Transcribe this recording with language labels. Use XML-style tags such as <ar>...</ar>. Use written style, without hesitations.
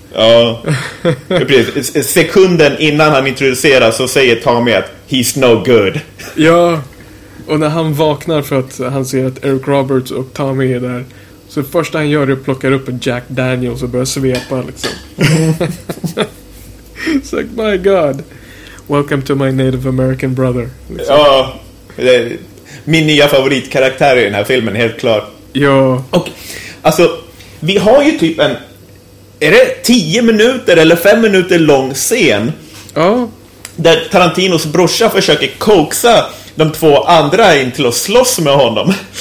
<sv>Ja, precis. Sekunden innan han introduceras så säger Tommy att</sv> <en>he's no good.</en> <sv>Ja, och när han vaknar för att han ser att Eric Roberts och Tommy är där, så det första han gör är att plocka upp en Jack Daniels och börja svepa liksom.</sv> <en>It's like, my god, welcome to my Native American brother</en> <sv>liksom. Ja, det är min nya favoritkaraktär i den här filmen, helt klart. Ja. Och, alltså, vi har ju typ en, är det 10 minuter eller 5 minuter lång scen? Ja. Där Tarantinos brorsa försöker coaxa de två andra in till att slåss med honom.</sv>